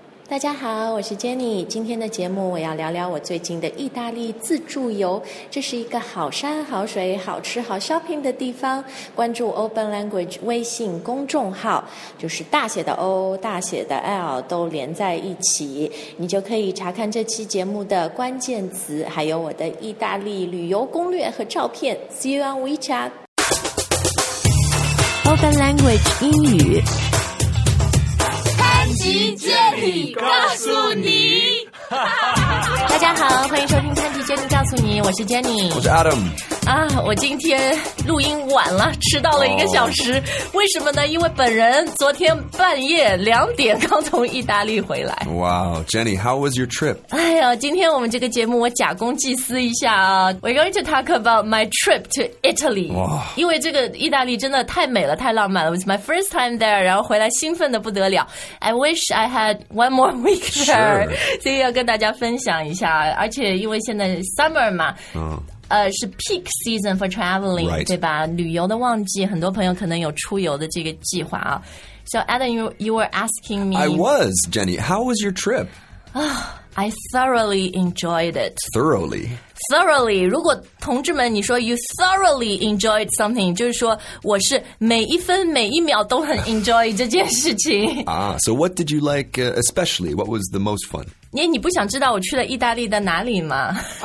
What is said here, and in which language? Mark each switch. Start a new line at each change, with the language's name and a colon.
Chinese: 大家好，我是 Jenny。今天的节目我要聊聊我最近的意大利自助游，这是一个好山好水好吃好 shopping 的地方。关注 Open Language 微信公众号，就是大写的 O 大写的 L 都连在一起，你就可以查看这期节目的关键词，还有我的意大利旅游攻略和照片。
English: See you on WeChat。
Chinese: Open Language 英语 Jenny 告诉你。大家好，欢迎收听潘吉 Jenny 告诉你，我是 Jenny。我是 Adam。啊，我今天录音晚了，迟到了一个小时、oh. 为什么呢？因为本人昨天半夜两点刚从意大利回来。
English: Wow, Jenny, how was your trip?
Chinese: 哎呀，今天我们这个节目我假公济私一下啊。
English: We're going to talk about my trip to Italy、 wow.
Chinese: 因为这个意大利真的太美了，太浪漫了。
English: It was my first time there,
Chinese: 然后回来兴奋得不得了。
English: I wish I had one more week there、 sure.
Chinese: 所以要跟大家分享一下。而且因为现在 summer 嘛、
English: oh.
Chinese: 是
English: peak season for traveling、 right.
Chinese: 对吧，旅游的旺季，很多朋友可能有出游的这个计划啊。
English: So Adam, you were asking me. I was, Jenny. How was your trip?、 I thoroughly enjoyed it. Thoroughly? Thoroughly.
Chinese: 如果同志们你说
English: you thoroughly enjoyed something,
Chinese: 就是说我是每一分每一秒都很 enjoy 这件事情。
English: Ah, so what did you like、especially? What was the most fun?
Chinese: 你不想知道我去了意大利的哪里吗、